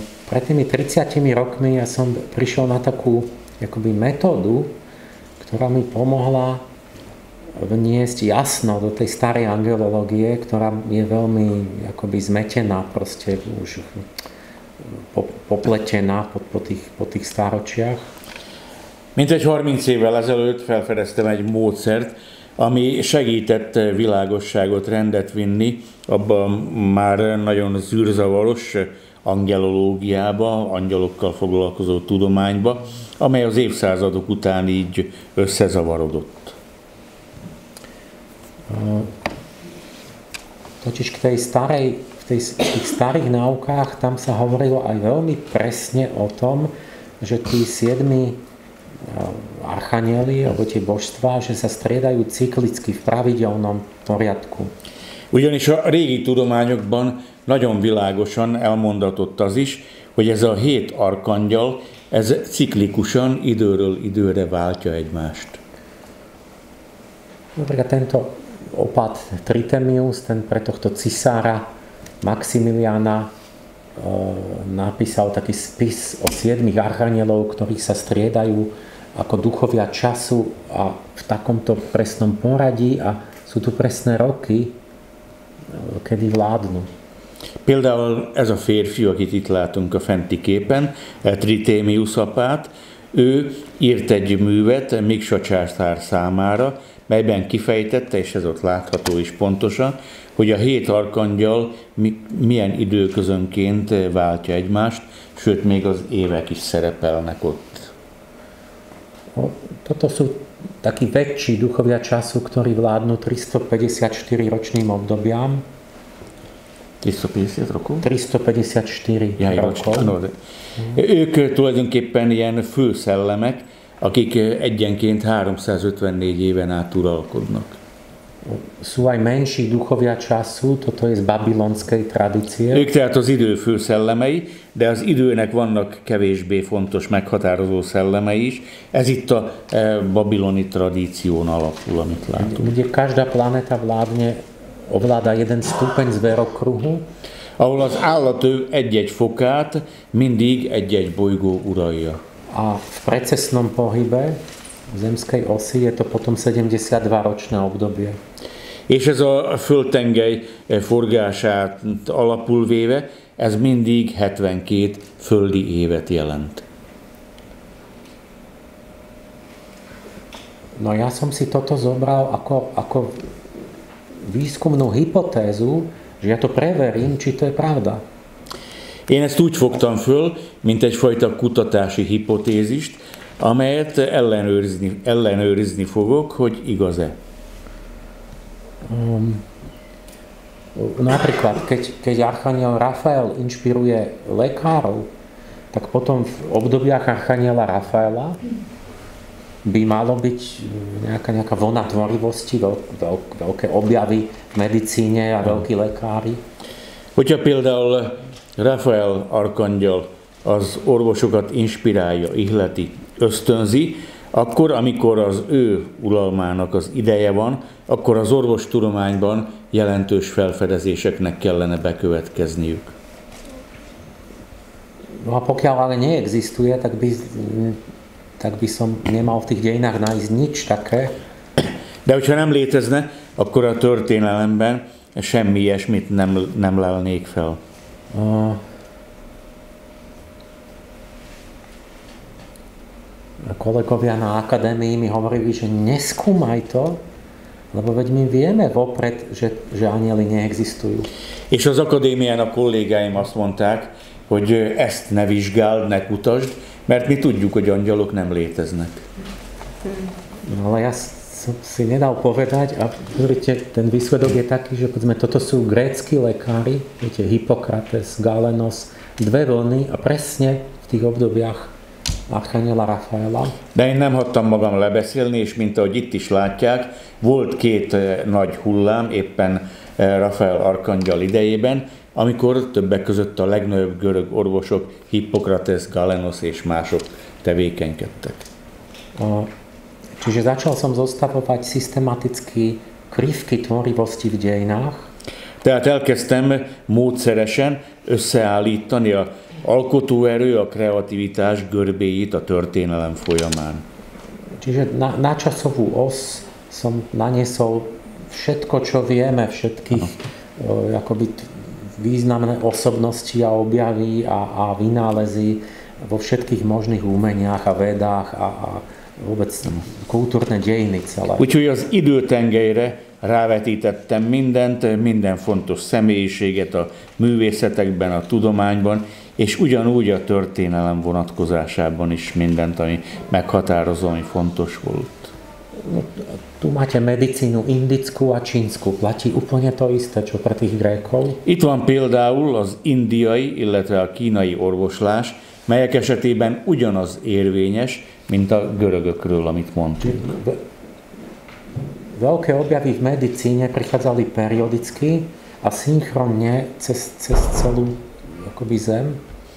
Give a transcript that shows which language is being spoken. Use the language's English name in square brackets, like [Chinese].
[Slovak] Pred tými 30 rokmi ja som prišiel na takú jakoby metódu, ktorá mi pomohla vniesť jasno do tej starej angelológie, ktorá je veľmi jakoby zmetená, proste už popletená po tých stáročiach. [Hungarian] Mint egy 30 évvel ezelőtt felfedeztem egy módszert, ami segített világosságot, rendet vinni abban már nagyon zűrzavaros angelológiába, angyalokkal foglalkozó tudományba, amely az évszázadok után így összezavarodott. [Slovak] Totiž v tých starých náukách tam sa hovorilo aj veľmi presne o tom, že tí siedmi archanieli alebo tie božstvá, že sa striedajú cyklicky v pravidelnom poriadku. [Hungarian] Ugyanis a régi tudományokban nagyon világosan elmondatott az is, hogy ez a hét arkangyal, ez ciklikusan időről időre váltja egymást. [Slovak] Dobre, tento opat Tritemius, ten pre tohto cisára Maximiliana napísal taký spis o siedmých archanielov, ktorí sa striedajú ako duchovia času a v takomto presnom poradí a sú tu presné roky, kedy vládnu. [Hungarian] Például ez a férfi, akit itt látunk a fenti képen, Tritémius apát, ő írt egy művet Miksa császár számára, melyben kifejtette, és ez ott látható is pontosan, hogy a hét arkangyal milyen időközönként váltja egymást, sőt, még az évek is szerepelnek ott. [Slovak] Toto sú takí väčší duchovia času, ktorí vládnu 354 ročným obdobiam. 350 rokov? 354 rokov. [Hungarian] Ők tulajdonképpen ilyen főszellemek, akik egyenként 354 éven át uralkodnak. [Slovak] Sú aj menší duchovia času, toto je z babilonskej tradície. [Hungarian] Ők tehát az idő főszellemei, de az időnek vannak kevésbé fontos meghatározó szellemei is. Ez itt a babiloni tradíción alapul, amit látunk. Ugye [Slovak] každá planéta vládne, ovládá jeden stupeň z verokruhu. [Hungarian] Ahol az állatő egy-egy fokát mindig egy-egy bolygó uralja. [Slovak] A v precesnom pohybe zemskej osy je to potom 72 ročné obdobie. [Hungarian] És ez a földtengely forgását alapul véve, ez mindig 72 földi évet jelent. [Slovak] No ja som si toto zobral ako výskumnú hypotézu, že ja to preverím, či to je pravda. [Hungarian] Én ezt úgy fogtam föl, mint egyfajta kutatási hipotézist, amelyet ellenőrizni fogok, hogy igaz-e. [Slovak] Napríklad, keď archaniel Rafael inšpiruje lekárov, tak potom v obdobiach archaniela Rafaela by malo byť nejaká vlna tvorivosti, veľké objavy v medicíne a veľkí lekári. [Hungarian] Hogyha például Rafael arkangyal az orvosokat inspirálja, ihleti, ösztönzi, akkor, amikor az ő uralmának az ideje van, akkor az orvostudományban jelentős felfedezéseknek kellene bekövetkezniük. [Slovak] No, a pokiaľ ale neexistuje, tak by som nemal v tých dejinách nájsť nič také. [Hungarian] De hogyha nem létezne, akkor a történelemben semmi ilyesmit nem lelnék fel. [Slovak] Kolegovia na akadémii mi hovorili, že neskúmaj to, lebo veď my vieme vopred, že anjeli neexistujú. [Hungarian] És az akadémián a kollégáim azt mondták, hogy ezt ne vizsgáld, ne kutasd, mert mi tudjuk, hogy angyalok nem léteznek. [Slovak] No, ale ja si nedal povedať, a pozrite, ten výsledok je taký, že povedzme, toto sú grécki lekári, viete, Hippokrates, Galenos, dve vlny a presne v tých obdobiach archaniela Rafaela. [Hungarian] De én nem hattam magam lebeszélni, és mint ahogy itt is látják, volt két nagy hullám éppen Rafael arkangyal idejében, amikor többek között a legnagyobb görög orvosok, Hippokrates, Galenos és mások tevékenykedtek. [Slovak] Čiže začal som zostavovať systematicky krivky tvorivosti v dejinách. [Hungarian] Tehát elkezdtem módszeresen összeállítani a alkotóerő, a kreativitás görbéit a történelem folyamán. [Slovak] Čiže na časovú os som naniesol všetko, čo vieme, všetkých akoby významné osobnosti a objavy a vynálezy vo všetkých možných umeniach a vedách a vôbec kultúrne dejiny celé. [Hungarian] Úgyhogy az időtengelyre rávetítettem mindent, minden fontos személyiséget a művészetekben, a tudományban, és ugyanúgy a történelem vonatkozásában is mindent, ami meghatározó, ami fontos volt. [Slovak] Tu máte medicínu indickú a čínsku. Platí úplne to isté, čo pre tých Grékov? [Hungarian] Itt van például az indiai, illetve a kínai orvoslás, melyek esetében ugyanaz érvényes, mint a görögökről, amit mondtunk. [Slovak] Veľké objavy v medicíne prichádzali periodicky a synchronne cez celú akoby zem.